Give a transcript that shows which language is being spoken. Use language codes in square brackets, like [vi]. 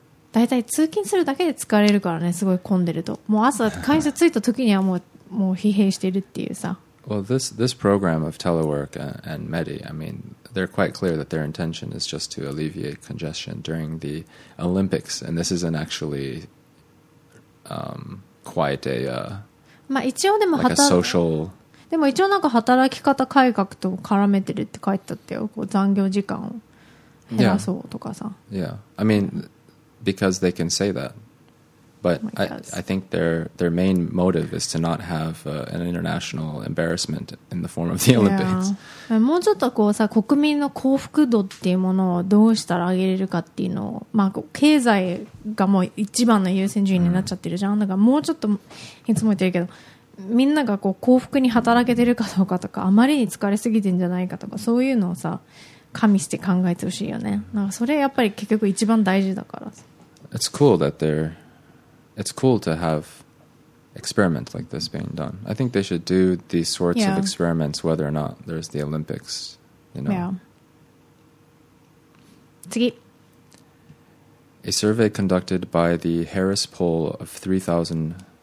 [ja] 大体通勤するだけで疲れるからね、すごい混んでると。もう朝、会社着いた時にはもう疲弊しているっていうさ。 [en] Well, this program of telework and Medi, I mean, they're quite clear that their intention is just to alleviate congestion during the Olympics, and this isn't actually quite a, like a social... [ja] でも一応なんか働き方改革と絡めてるって書いてあったよ。こう残業時間を減らそうとかさ。 [en] Yeah. I mean, because they can say that. But I think their main motive is to not have an international embarrassment in the form of the Olympics. [ja] もうちょっとこうさ、国民の幸福度っていうものをどうしたら上げれるかっていうのを、まあ、経済がもう一番の優先順位になっちゃってるじゃん。だからもうちょっと、いつも言ってるけど、みんながこう幸福に働けてるかどうかとか、あまりに疲れすぎてんじゃないかとか、そういうのをさ、加味して考えてほしいよね。なんかそれやっぱり結局一番大事だから。 [en] It's cool that they're... It's cool to have experiments like this being done. I think they should do these sorts of experiments whether or not there's the Olympics, you know. Yeah. [ja] 次。 [en] A survey conducted by the Harris Poll of 3,000...